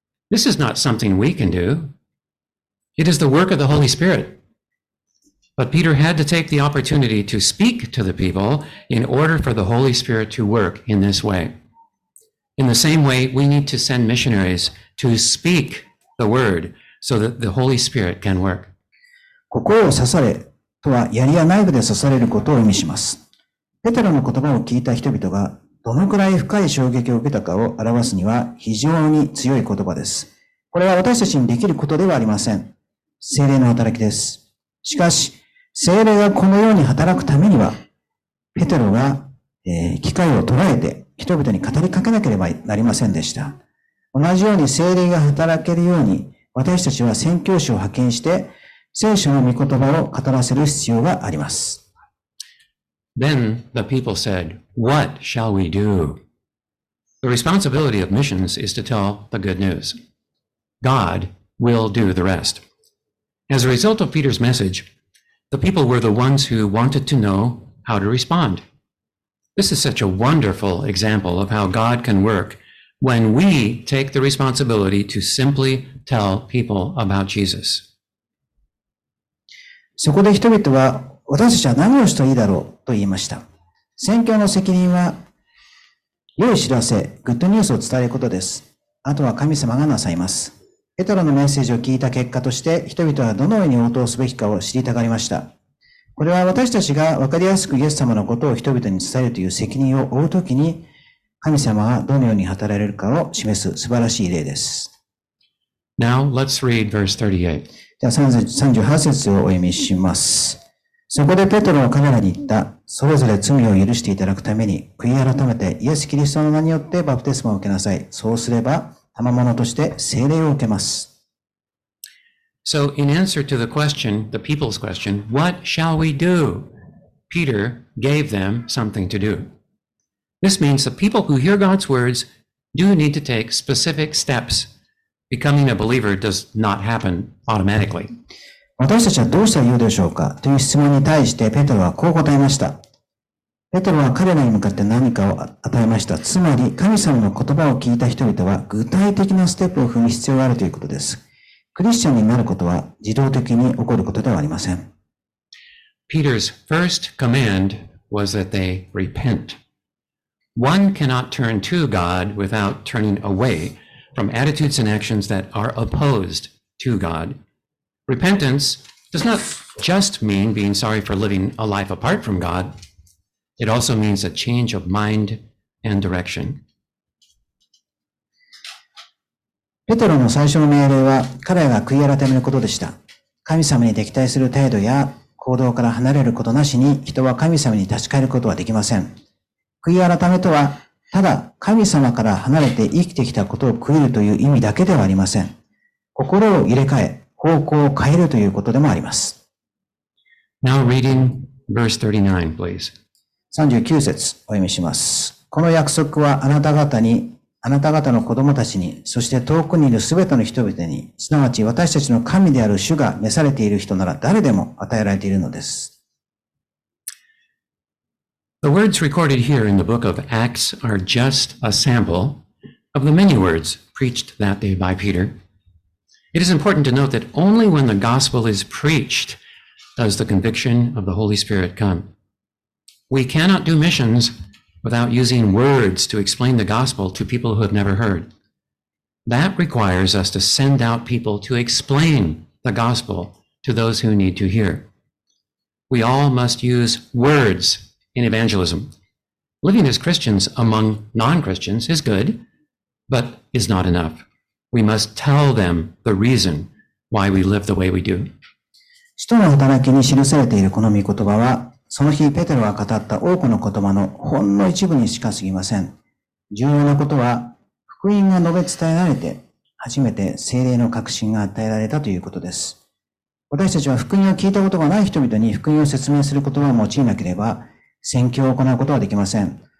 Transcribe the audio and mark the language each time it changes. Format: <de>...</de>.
<en>This is not something we can do. It is the work of the Holy Spirit. But Peter had to take the opportunity to speak to the people in order for the Holy Spirit to work in this way. In the same way, we need to send missionaries to speak the word so that the Holy Spirit can work.</en> <ja>心を刺されとは槍や内部で刺されることを意味します。ペテロの言葉を聞いた人々がどのくらい深い衝撃を受けたかを表すには非常に強い言葉です。これは私たちにできることではありません。聖霊の働きです。しかし、聖霊がこのように働くためには、ペテロが、機会を捉えて人々に語りかけなければなりませんでした。同じように聖霊が働けるように、私たちは宣教師を派遣して、聖書の御言葉を語らせる必要があります。</ja> <en>Then the people said, What shall we do? The responsibility of missions is to tell the good news. God will do the rest. As a result of Peter's message, the people were the ones who wanted to know how to respond. This is such a wonderful example of how God can work when we take the responsibility to simply tell people about Jesus.</en> <ja>そこで人々は、私たちは何をしたらいいだろうと言いました。宣教の責任は、良い知らせ、グッドニュースを伝えることです。あとは神様がなさいます。ペトロのメッセージを聞いた結果として、人々はどのように応答すべきかを知りたがりました。これは私たちが分かりやすくイエス様のことを人々に伝えるという責任を負うときに、神様がどのように働かれるかを示す素晴らしい例です。</ja> <en>Now, let's read verse 38.</en> <ja>では38節をお読みします。そこでペトロは彼らに言った、それぞれ罪を許していただくために、悔い改めてイエス・キリストの名によってバプテスマを受けなさい。そうすれば、賜物として聖霊を受けます。</ja> <en>So, in answer to the question, the people's question, what shall we do? Peter gave them something to do. This means the people who hear God's words do need to take specific steps. Becoming a believer does not happen automatically.</en> <ja>私たちはどうしたらいいでしょうかという質問に対してペトロはこう答えました。ペトロは彼らに向かって何かを与えました。つまり神様の言葉を聞いた人々は具体的なステップを踏む必要があるということです。クリスチャンになることは自動的に起こることではありません。</ja> <en>Peter's first command was that they repent. One cannot turn to God without turning away. From attitudes and actions that are opposed to God. Repentance does not just mean being sorry for living a life apart from God. It also means a change of mind and direction.</en> <ja>ペトロの最初の命令は彼が悔い改めることでした。神様に敵対する態度や行動から離れることなしに人は神様に立ち返ることはできません。悔い改めとは、ただ神様から離れて生きてきたことを悔いるという意味だけではありません。心を入れ替え、方向を変えるということでもあります。</ja> <en>Now reading verse 39, please.</en> <ja>39節お読みします。この約束はあなた方に、あなた方の子供たちに、そして遠くにいるすべての人々に、すなわち私たちの神である主が召されている人なら誰でも与えられているのです。</ja> <en>The words recorded here in the book of Acts are just a sample of the many words preached that day by Peter. It is important to note that only when the gospel is preached does the conviction of the Holy Spirit come. We cannot do missions without using words to explain the gospel to people who have never heard. That requires us to send out people to explain the gospel to those who need to hear. We all must use words in evangelism. Living as Christians among non-Christians is good, but is not enough. We must tell them the reason why we live the way we do.</en> <ja>使徒の働きに記されているこの御言葉は、その日ペテロは語った多くの言葉のほんの一部にしか過ぎません。重要なことは、福音が述べ伝えられて、初めて聖霊の確信が与えられたということです。私たちは福音を聞いたことがない人々に福音を説明する言葉を用いなければ、宣教を行うことはできません。</ja>